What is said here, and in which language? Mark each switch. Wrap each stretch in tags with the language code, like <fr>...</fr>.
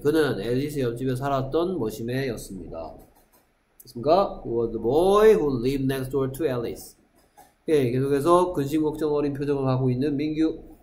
<ko>그는 앨리스 옆집에 살았던 모시매였습니다. 됐습니까?</ko> <en>He was the boy who lived next door to Alice.</en> <ko>예, 계속해서 근심 걱정 어린 표정을 하고 있는 민규.</ko>